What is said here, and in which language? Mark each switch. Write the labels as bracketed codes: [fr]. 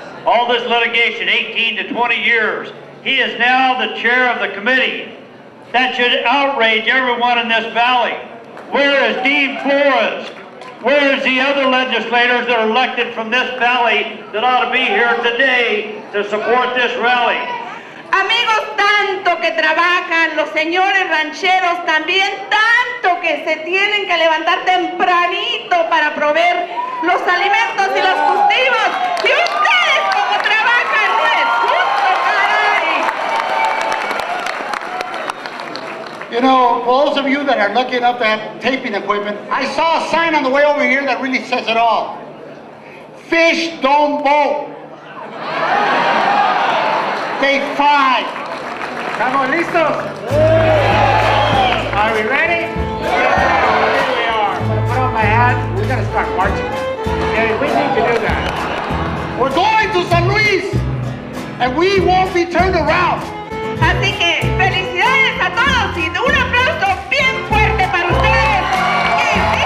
[en] All this litigation, 18 to 20 years. He is now the chair of the committee. That should outrage everyone in this valley. Where is Dean Flores? Where is the other legislators that are elected from this valley that ought to be here today to support this rally? [es] Amigos, tanto que trabajan los señores rancheros también, tanto que se tienen que levantar tempranito para proveer los alimentos y los cultivos. ¿Y ustedes cómo trabajan? ¡No es justo, caray! [en] You know, those of you that are lucky enough to have taping equipment, I saw a sign on the way over here that really says it all. Fish don't boat. Day five. [es] ¿Estamos listos? [en] Are we ready? Here we are. I'm gonna put on my hat. We gotta start marching. Okay, we need to do that. We're going to San Luis, and we won't be turned around. [es] Así que, felicidades a todos y un aplauso bien fuerte para ustedes.